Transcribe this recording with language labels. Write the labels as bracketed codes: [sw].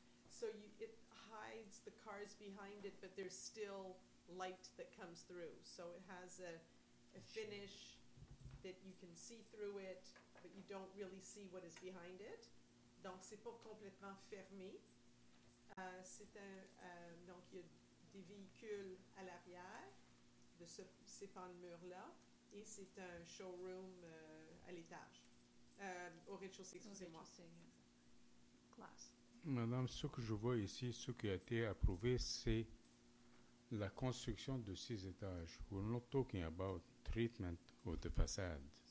[en] So it hides the cars behind it, but there's still light that comes through. So it has a finish that you can see through it, but you don't really see what is behind it. [fr] Donc, c'est pas complètement fermé. C'est un, donc, il y a des véhicules à l'arrière de ce, ces pans de mur-là, et c'est un showroom à l'étage, au rez-de-chaussée, excusez-moi. [en] Class. [fr] Madame, ce que je vois ici, ce qui a été approuvé, c'est la construction de six étages. [en] We're not talking about treatment of the facade.